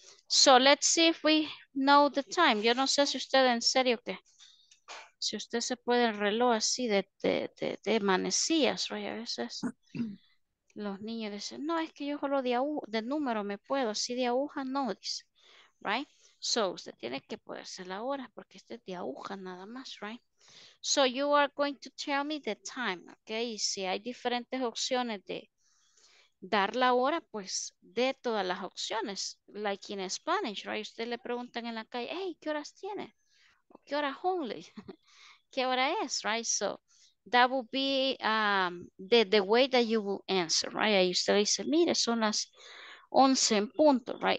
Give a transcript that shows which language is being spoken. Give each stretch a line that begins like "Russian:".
English: So let's see if we know the time.
Spanish: Yo no sé si usted en serio que, si usted se puede el reloj así de manecillas, right? A veces los niños dicen, no, es que yo solo de número me puedo, así de aguja no, dice, right? So usted tiene que poderse la hora porque este es de aguja nada más, right?
English: So you are going to tell me the time, okay?
Spanish: Y si hay diferentes opciones de dar la hora, pues, de todas las opciones.
English: Like in Spanish, right?
Spanish: Usted le preguntan en la calle, hey, ¿qué horas tiene? ¿O qué hora only? ¿Qué hora es? Right?
English: So, that would be the way that you will answer, right?
Spanish: Ahí usted dice, mire, son las 11 en punto, right?